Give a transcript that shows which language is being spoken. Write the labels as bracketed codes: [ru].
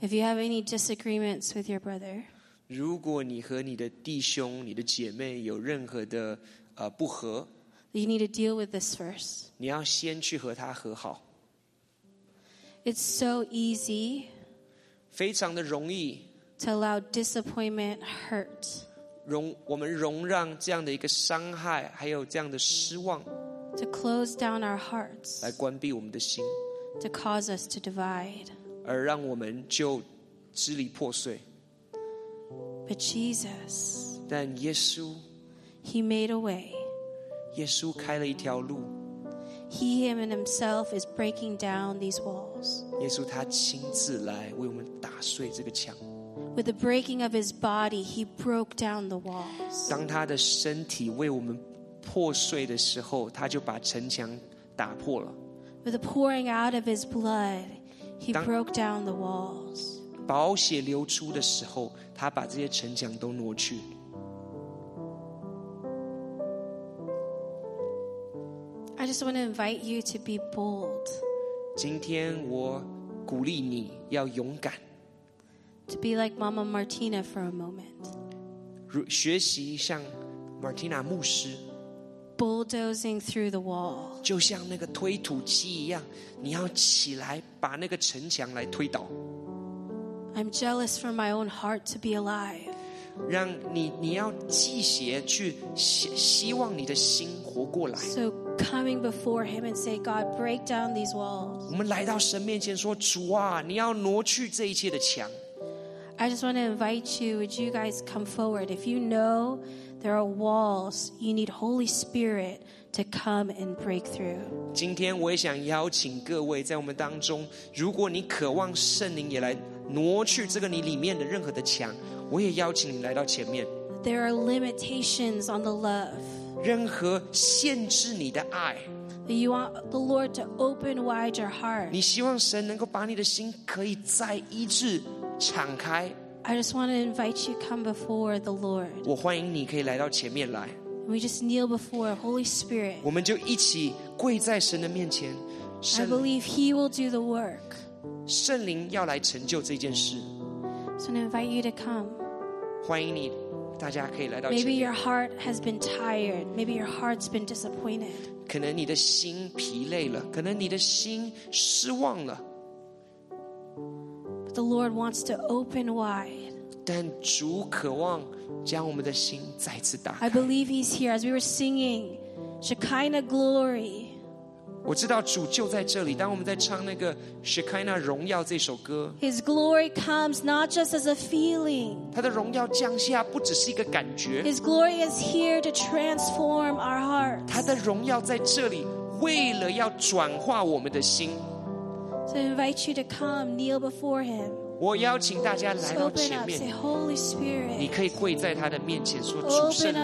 [en] If you have any disagreements with your brother, [zh] 如果你和你的弟兄、你的姐妹有任何的不和, [en] you need to deal with this first. [zh] 你要先去和他和好。 [en] It's so easy, [zh] 非常的容易, [en] to allow disappointment hurt. [zh] 我们容让这样的一个伤害还有这样的失望 [en] to close down our hearts, [zh] 来关闭我们的心 [en] to cause us to divide, [zh] 而让我们就支离破碎 [en] But Jesus, [zh] 但耶稣 [en] He made a way, [zh] 耶稣开了一条路 [en] He himself is breaking down these walls, [zh] 耶稣他亲自来为我们打碎这个墙 [en] With the breaking of his body, he broke down the walls. [zh] 当他的身体为我们破碎的时候，他就把城墙打破了。 [en] With the pouring out of his blood, he broke down the walls. [zh] 宝血流出的时候，他把这些城墙都挪去。 [en] I just want to invite you to be bold. [zh] 今天我鼓励你要勇敢。 [en] To be like Mama Martina for a moment. [zh] 学习像 Martina 牧师 [en] bulldozing through the wall. [zh] 就像那个推土机一样，你要起来把那个城墙来推倒。 [en] I'm jealous for my own heart to be alive. [zh] 让你要祭血去希望你的心活过来。 [en] So coming before Him and say, God, break down these walls. [zh] 我们来到神面前说，主啊，你要挪去这一切的墙。 [en] I just want to invite you, would you guys come forward? If you know there are walls, you need Holy Spirit to come and break through. [zh] 今天我也想邀请各位在我们当中，如果你渴望圣灵也来挪去这个你里面的任何的墙，我也邀请你来到前面。 [en] There are limitations on the love. [zh] 任何限制你的爱。 [en] You want the Lord to open wide your heart. [zh] 你希望神能够把你的心可以再医治。敞开 [en] I just want to invite you to come before the Lord. [zh] 我欢迎你可以来到前面来 [en] We just kneel before Holy Spirit. [zh] 我们就一起跪在神的面前 [en] I believe He will do the work. [zh] 圣灵要来成就这件事 [en] I want to invite you to come. [zh] 欢迎你大家可以来到前面 [en] Maybe your heart has been tired. Maybe your heart's been disappointed. [zh] 可能你的心疲累了可能你的心失望了 [en] The Lord wants to open wide. [zh] 但主渴望将我们的心再次打开。 [en] I believe He's here as we were singing, Shekinah Glory. [zh] 我知道主就在这里。当我们在唱那个 Shekinah 荣耀这首歌 [en] ，His glory comes not just as a feeling. [zh] 他的荣耀降下不只是一个感觉。 [en] His glory is here to transform our hearts. [zh] 他的荣耀在这里，为了要转化我们的心。 [en] So I invite you to come, kneel before Him. [zh] 我邀请大家来到前面。 [en] Say, Holy Spirit. [zh] 你可以跪在他的面前说，主圣灵。